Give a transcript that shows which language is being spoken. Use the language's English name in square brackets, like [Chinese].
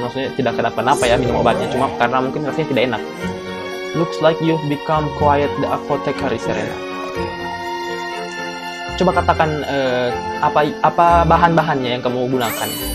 [Indonesian] Maksudnya tidak kenapa-napa ya minum obatnya. Cuma karena mungkin rasanya tidak enak. [English] Looks like you've become quiet the apothecary, Serena. [Indonesian] Coba katakan apa bahan-bahannya yang kamu gunakan.